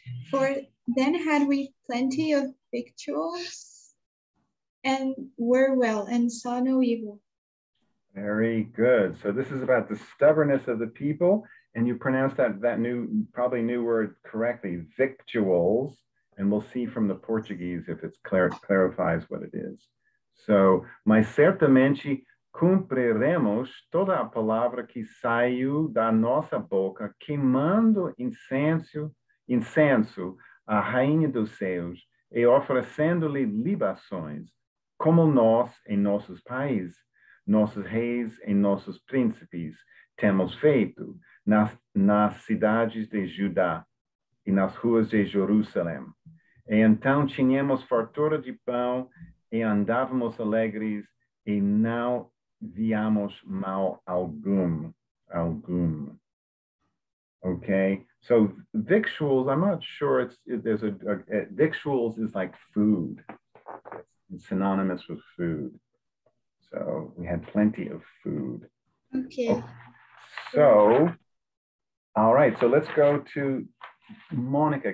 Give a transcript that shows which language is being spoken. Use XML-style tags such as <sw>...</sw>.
<en>For then had we plenty of victuals, and were well, and saw no evil. Very good. So this is about the stubbornness of the people. And you pronounce that new, probably new word correctly, victuals. And we'll see from the Portuguese if it clarifies what it is.</en> <pt>So, mas certamente cumpriremos toda a palavra que saiu da nossa boca, queimando incenso à rainha dos céus e oferecendo-lhe libações, como nós em nossos pais, nossos reis e nossos príncipes temos feito, nas cidades de Judá e nas ruas de Jerusalém. E então tínhamos fartura de pão e andávamos alegres e não víamos mal algum.</pt> <en>Okay, so victuals, I'm not sure victuals is like food. It's synonymous with food. So we had plenty of food. Okay. All right, so let's go to Monica.</en>